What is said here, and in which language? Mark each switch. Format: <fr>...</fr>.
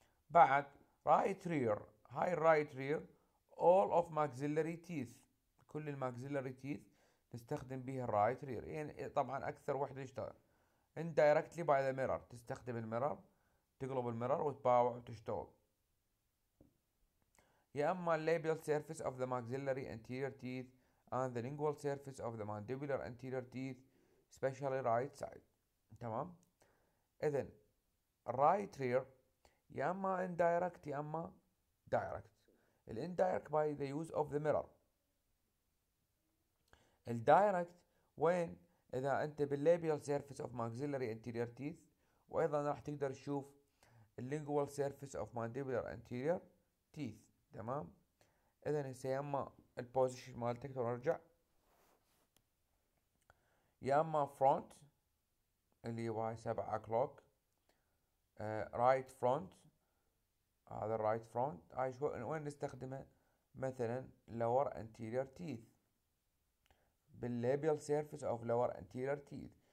<ar>بعد رايت رير، هاي الرايت رير اول اوف ماكسيلري تيث، كل الماكسيلري تيث تستخدم بيها الرايت رير. يعني طبعا اكثر وحده يشتغل ان دايركتلي باي ذا ميرور، تستخدم الميرور تقلب الميرور وتباوع وتشتغل. يا اما الليبيال سيرفيس اوف ذا ماكسيلري انتيرير تيث</ar> <en>and the lingual surface of the mandibular anterior teeth especially right side.</en> <ar>تمام. اذا right rear يا اما indirect يا اما direct. ال indirect</ar> <en>by the use of the mirror.</en> <ar>ال direct when اذا انت باللابيال</ar> <en>surface of maxillary anterior teeth،</en> <ar>وايضا راح تقدر تشوف ال</ar> <en>lingual surface of mandibular anterior teeth.</en> <ar>تمام. اذا هسه يا اما البوزيشن مالتك ترجع يا اما فرونت اللي هو 7 اكلوك، رايت فرونت هذا الرايت فرونت هاي شو وين نستخدمه؟ مثلا لور انتيرير تيث بالليبيال سيرفيس اوف لور انتيرير تيث.</ar>